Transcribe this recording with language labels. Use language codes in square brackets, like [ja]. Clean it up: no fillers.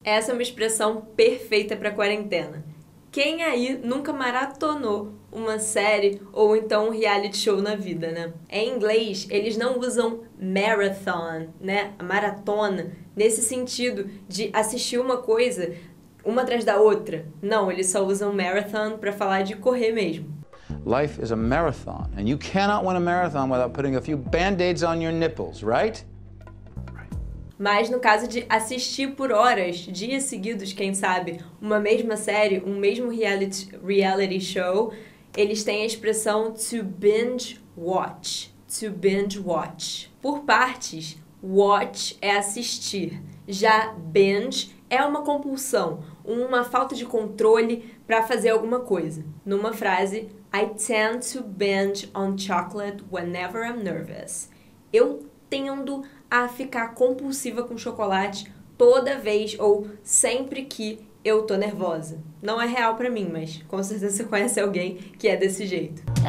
[pt] Essa é uma expressão perfeita para quarentena. Quem aí nunca maratonou uma série ou então um reality show na vida, né? Em inglês, eles não usam marathon, né? Maratona, nesse sentido de assistir uma coisa uma atrás da outra. Não, eles só usam marathon para falar de correr mesmo. [en] Life is a marathon, and you cannot win a marathon without putting a few band-aids on your nipples, right? [pt] Mas no caso de assistir por horas, dias seguidos, quem sabe, uma mesma série, um mesmo reality show, eles têm a expressão to binge watch. To binge watch. Por partes, watch é assistir. Já binge é uma compulsão, uma falta de controle para fazer alguma coisa. Numa frase, [en] I tend to binge on chocolate whenever I'm nervous. [pt] Eu tendo a ficar compulsiva com chocolate toda vez ou sempre que eu tô nervosa. Não é real pra mim, mas com certeza você conhece alguém que é desse jeito.